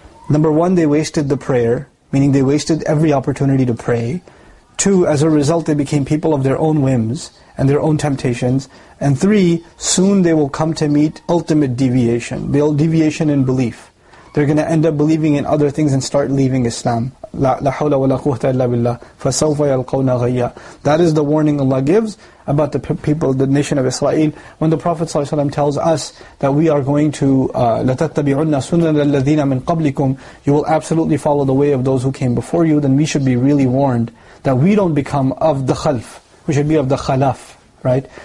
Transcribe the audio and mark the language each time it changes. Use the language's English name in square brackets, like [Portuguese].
[English] Number one, they wasted the prayer, meaning they wasted every opportunity to pray. Two, as a result, they became people of their own whims and their own temptations. And three, soon they will come to meet ultimate deviation, the old deviation in belief. They're going to end up believing in other things and start leaving Islam. [Arabic] لا حول ولا قوة إلا بالله فسوف يلقون غيا. [English] That is the warning Allah gives about the people, the nation of Israel. When the Prophet ﷺ tells us that we are going to [Arabic] لَتَتَّبِعُنَّ سُنَنَ الَّذِينَ مِنْ قَبْلِكُمْ, [English] you will absolutely follow the way of those who came before you, then we should be really warned that we don't become of the khalf, we should be of the khalaf, right?